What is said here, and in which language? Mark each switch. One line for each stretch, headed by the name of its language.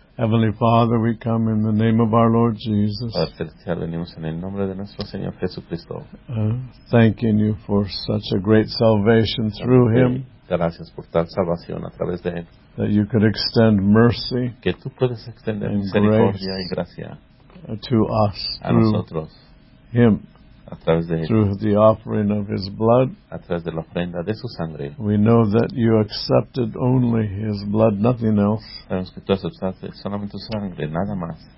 English: Heavenly Father, we come in the name of our Lord Jesus.
Spanish: Padre celestial, venimos en el nombre de nuestro Señor Jesucristo.
English: Thanking you for such a great salvation through Him.
Spanish: Gracias por tal salvación a través de Él.
English: That you could extend mercy,
Spanish: que tú puedes extender misericordia y gracia,
English: to us,
Spanish: a nosotros,
English: Him.
Spanish: A través de
English: through the offering of His blood,
Spanish: a través de la ofrenda de su sangre,
English: we know that you accepted only His blood, nothing else.
Spanish: Sabemos que tú aceptaste solamente su sangre, nada más.